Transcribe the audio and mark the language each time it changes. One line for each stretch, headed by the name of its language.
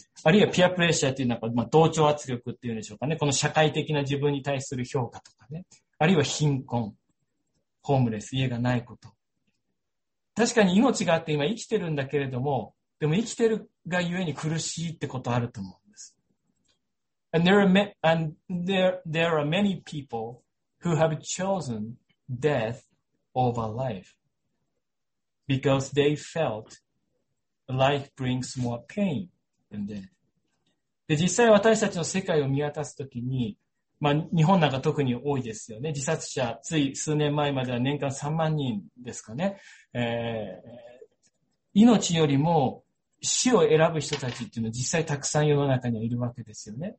Japanese: あるいはピアプレッシャーっていうのは、まあ、同調圧力っていうんでしょうかね。この社会的な自分に対する評価とかね。あるいは貧困、ホームレス、家がないこと。確かに命があって今生きてるんだけれども、でも生きてるがゆえに苦しいってことあると思うんです。
English: And there are many people who have chosen death over life because they felt life brings more pain than death.
Japanese: で、実際私たちの世界を見渡すときに、まあ、日本なんか特に多いですよね。自殺者、つい数年前までは年間3万人ですかね。命よりも死を選ぶ人たちっていうのは実際たくさん世の中にはいるわけですよね。